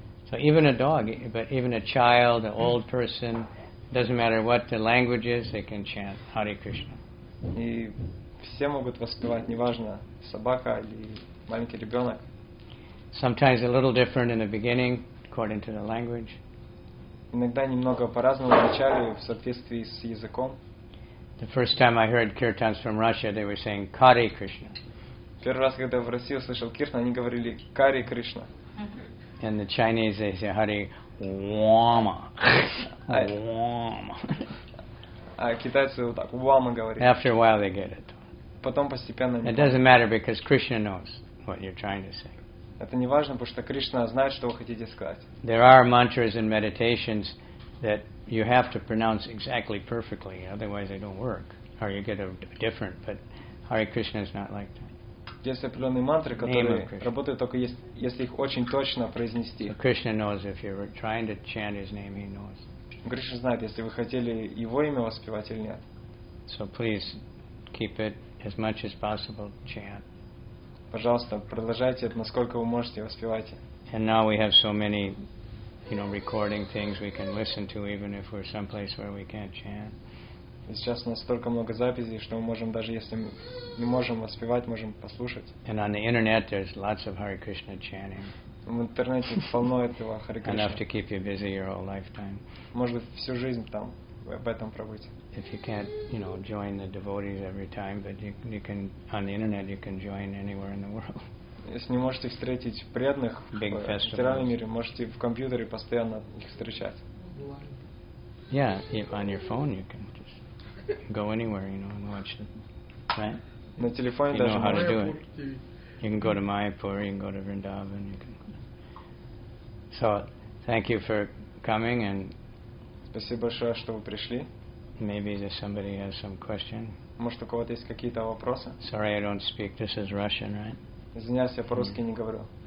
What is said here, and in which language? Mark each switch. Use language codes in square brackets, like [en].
[en] So even a dog, but even a child, an old person, doesn't matter what the language is, they can chant Hare Krishna. [ru] И все могут воспевать, неважно собака или маленький ребенок. [en] Sometimes a little different in the beginning, according to the language. [ru] Иногда немного по-разному в начале в соответствии с языком. [en] The first time I heard kirtans from Russia, they were saying Hare Krishna. [ru] Первый раз, когда в России услышал киртан, они говорили Hare Krishna. [en] And the Chinese they say Hare Wama. Wama. [ru] А китайцы вот так Wama говорят. [en] After a while they get it. [ru] Потом постепенно. [en] It doesn't matter because Krishna knows what you're trying to say. [ru] Это не важно, потому что Кришна знает, что вы хотите сказать. [en] There are mantras and meditations that you have to pronounce exactly perfectly, otherwise they don't work, or you get a different. But Hare Krishna is not like that. [ru] Есть определенные мантры, которые работают только если их очень точно произнести. [en] So Krishna knows if you're trying to chant his name, he knows. [ru] Кришна знает, если вы хотели его имя воспевать или нет. [en] So please keep it as much as possible chant. [ru] Пожалуйста, продолжайте это, насколько вы можете, воспевайте. [en] And now we have so many, you know, recording things we can listen to, even if we're someplace where we can't chant. [ru] И сейчас у нас столько много записей, что мы можем, даже если не можем воспевать, можем послушать. [en] And on the internet there's lots of Hare Krishna chanting. [ru] В интернете полно этого Hare Krishna. [en] Enough to keep you busy your whole lifetime. [ru] Может быть, всю жизнь там об этом пробуйте. [en] If you can't, you know, join the devotees every time, but you can on the internet you can join anywhere in the world. [ru] Если не можете встретить преданных в материальном мире, можете в компьютере постоянно их встречать. [en] Yeah, on your phone you can just go anywhere, you know, and watch them. Right? [ru] На телефоне даже. [en] You know how to do it. You can go to Mayapur, you can go to Vrindavan, you can. So, thank you for coming and. [ru] Спасибо большое, что вы пришли. [en] Maybe if somebody has some question. [ru] Может, у кого-то есть какие-то вопросы? [en] Sorry, I don't speak. This is Russian, right? [ru] Извиняюсь, я по-русски не говорю.